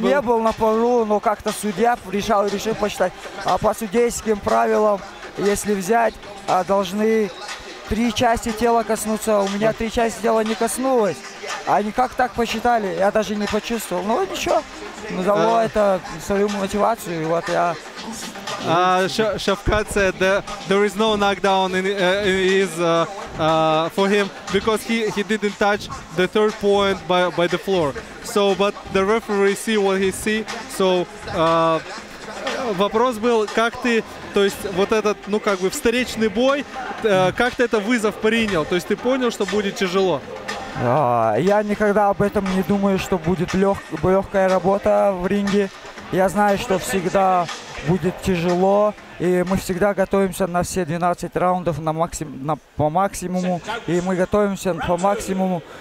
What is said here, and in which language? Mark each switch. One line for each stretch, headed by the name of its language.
Russian: был... Я не был на полу, но как-то судья решил посчитать. А по судейским правилам, если взять, должны... Три части тела коснуться, у меня три части тела не коснулось. Они как так посчитали, я даже не почувствовал. Ну, ничего, назову это свою мотивацию, и вот я...
English: Шавкат said that there is no knockdown in his for him, because he didn't touch the third point by the floor. So, but the referee see what he see, so...
Russian: Вопрос был, как ты, то есть вот этот, встречный бой, как ты это вызов принял? То есть ты понял, что будет тяжело? Я никогда об этом не думаю, что будет легкая работа в ринге. Я знаю, что всегда будет тяжело, и мы всегда готовимся на все 12 раундов по максимуму, и мы готовимся по максимуму.